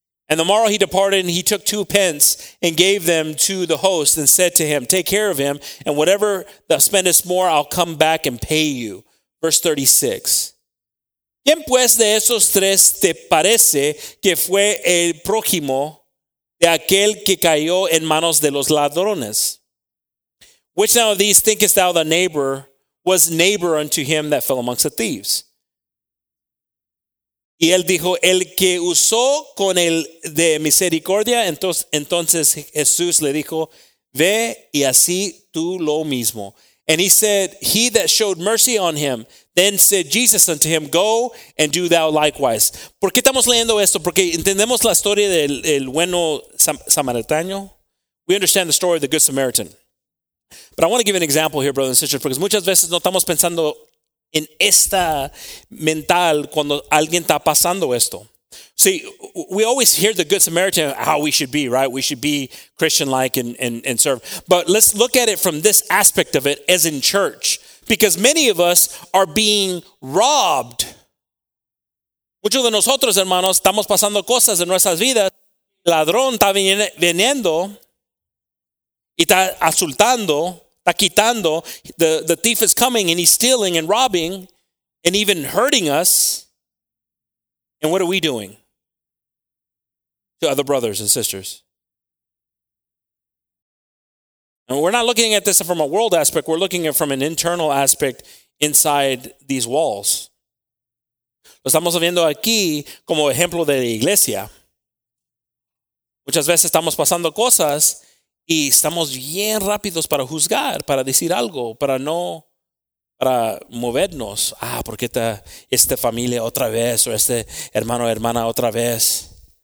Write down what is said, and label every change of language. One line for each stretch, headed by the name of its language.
English: And the morrow he departed, and he took 2 pence and gave them to the host and said to him, take care of him, and whatever thou spendest more, I'll come back and pay you. Verse 36.
Spanish: ¿Quién pues de esos tres te parece que fue el prójimo de aquel que cayó en manos de los ladrones?
English: Which now of these thinkest thou the neighbor was neighbor unto him that fell amongst the thieves?
Spanish: Y él dijo, el que usó con el de misericordia. Entonces Jesús le dijo, ve y así tú lo mismo.
English: And he said, he that showed mercy on him. Then said Jesus unto him, go and do thou likewise.
Spanish: ¿Por qué estamos leyendo esto? Porque entendemos la historia del el bueno samaritano.
English: We understand the story of the good Samaritan. But I want to give an example here, brothers and sisters, because
Spanish: muchas veces no estamos pensando en esta mental cuando alguien está pasando esto.
English: See, we always hear the good Samaritan, how we should be, right? We should be Christian-like and serve. But let's look at it from this aspect of it, as in church. Because many of us are being robbed.
Spanish: Muchos de nosotros, hermanos, estamos pasando cosas en nuestras vidas. El ladrón está viniendo y está asaltando. Quitando,
English: the thief is coming and he's stealing and robbing and even hurting us. And what are we doing to other brothers and sisters? And we're not looking at this from a world aspect. We're looking at it from an internal aspect inside these walls.
Spanish: Lo estamos viendo aquí como ejemplo de la iglesia. Muchas veces estamos pasando cosas y estamos bien rápidos para juzgar, para decir algo, para movernos. Ah, ¿por qué está esta familia otra vez? O este hermano o hermana otra vez.